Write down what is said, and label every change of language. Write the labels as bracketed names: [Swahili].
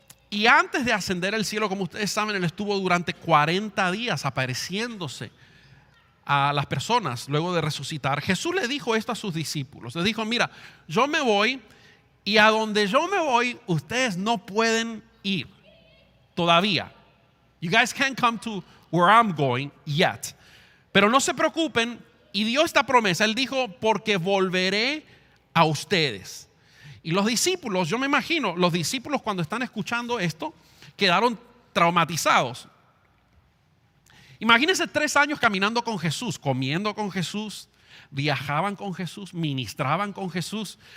[Spanish] Y antes de ascender al cielo, como ustedes saben, él estuvo durante 40 días apareciéndose a las personas luego de resucitar. Jesús le dijo esto a sus discípulos. Le dijo: mira, yo me voy y a donde yo me voy, ustedes no pueden ir todavía. [English] You guys can't come to where I'm going yet. [Spanish] Pero no se preocupen y dio esta promesa. Él dijo: porque volveré a ustedes. Y los discípulos, yo me imagino, los discípulos cuando están escuchando esto, quedaron traumatizados. Imagínense 3 años caminando con Jesús, comiendo con Jesús, viajaban con Jesús, ministraban con Jesús.